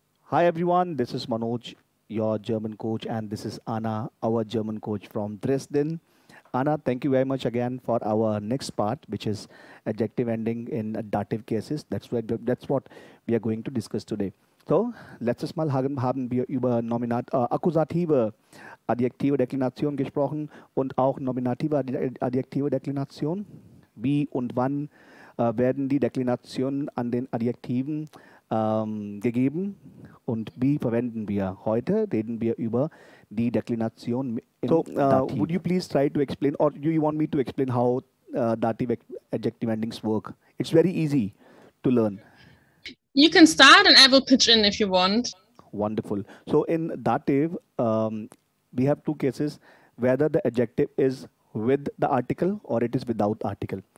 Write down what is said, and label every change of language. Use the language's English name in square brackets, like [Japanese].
[English] Hi everyone, this is Manoj, your German coach, and this is Anna, our German coach from Dresden. Anna, thank you very much again for our next part, which is adjective ending in dative cases. That's what we are going to discuss today. [German] So, letztes Mal haben wir über akkusative adjektive Deklination gesprochen und auch nominative adjektive Deklination. Wie und wann werden die Deklinationen an den Adjektiven gegeben und wie verwenden wir? Heute reden wir über die Deklination. [English] So, would you please try to explain, or do you want me to explain how dative adjective endings work? It's very easy to learn. You can start and I will pitch in if you want. Wonderful. So in dative, we have two cases, whether the adjective is with the article or it is without article.